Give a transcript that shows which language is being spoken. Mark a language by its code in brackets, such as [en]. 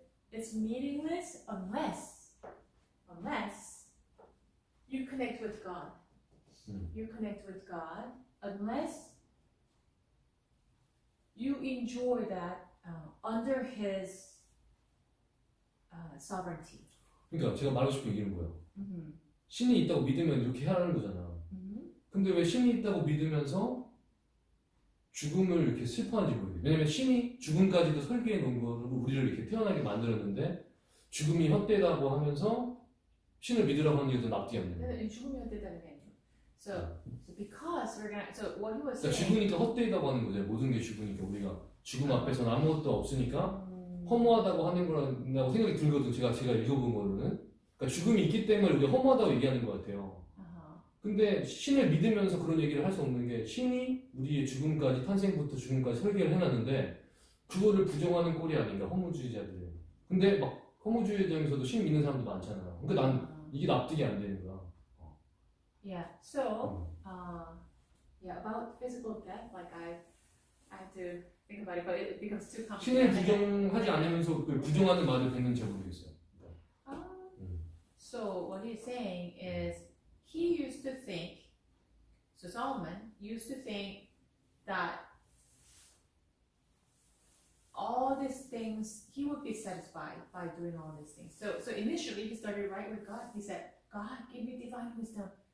[en] It's meaningless unless you connect with God. You connect with God unless you enjoy that under his sovereignty. [ko] 그러니까 제가 말하고 싶은 얘기는 뭐예요? 신이 있다고 믿으면 이렇게 해야 하는 거잖아. 근데 왜 신이 있다고 믿으면서 죽음을 이렇게 슬퍼하는지 모르겠어요. 왜냐면 신이 죽음까지도 설계해 놓은 거로 우리를 이렇게 태어나게 만들었는데 죽음이 헛되다고 하면서 신을 믿으라고 하는 이유도 납득이 안 돼요. 죽음이 헛되다는 게 아니에요. [en] So because we're gonna, so what he was saying. [ko] 죽으니까 헛되다고 하는 거죠. 모든 게 죽으니까 우리가 죽음 앞에서 아무것도 없으니까 허무하다고 하는 거라고 생각이 들거든. 제가 읽어본 거로는. 그러니까 죽음이 있기 때문에 우리가 허무하다고 얘기하는 것 같아요. 근데 신을 믿으면서 그런 얘기를 할 수 없는 게 신이 우리의 죽음까지 탄생부터 죽음까지 설계를 해놨는데 그거를 부정하는 꼴이 아닌가 허무주의자들. 근데 막 허무주의 중에서도 신 믿는 사람도 많잖아. 그러니까 난 이게 납득이 안 되는 거야. [en] Yeah. So, yeah. About physical death, like I have to think about it, but it becomes too complicated. [ko] 신을 부정하지 않으면서 그 부정하는 말을 듣는 제가 모르겠어요. [en] So what he's saying is he used to think. So Solomon used to think that all these things he would be satisfied by doing all these things. So initially he started right with God. He said, God, give me divine wisdom.